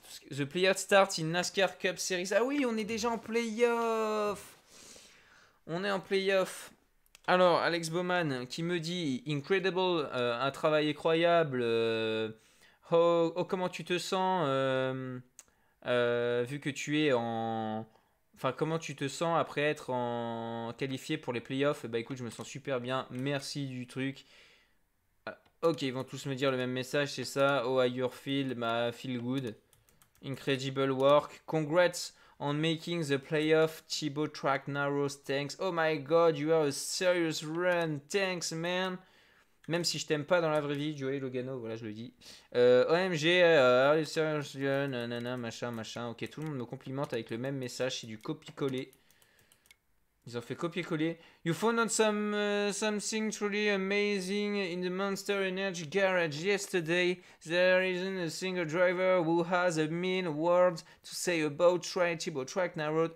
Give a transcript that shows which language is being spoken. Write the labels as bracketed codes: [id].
[en] The playoff starts in NASCAR Cup Series. [fr] Ah oui, on est déjà en playoff. On est en playoff. Alors, Alex Bowman qui me dit « Incredible, un travail incroyable. Oh, comment tu te sens vu que tu es en... Enfin, comment tu te sens après être en qualifié pour les playoffs ?» Bah écoute, je me sens super bien. Merci du truc. Ok, ils vont tous me dire le même message, c'est ça. [en] « Oh, how you feel ?» Bah, « Feel good. Incredible work. Congrats. » On making the playoff, Thibaut track narrows, thanks. Oh my god, you are a serious run, thanks man. [fr] Même si je t'aime pas dans la vraie vie, Joey Logano, voilà, je le dis. [en] OMG, are you serious run, nanana, [fr] machin, machin. Ok, tout le monde me complimente avec le même message, c'est du copier-coller. Ils ont fait copier-coller. [en] You found out something truly amazing in the Monster Energy Garage yesterday. There isn't a single driver who has a mean word to say about Tri-Tibo Track Narrow.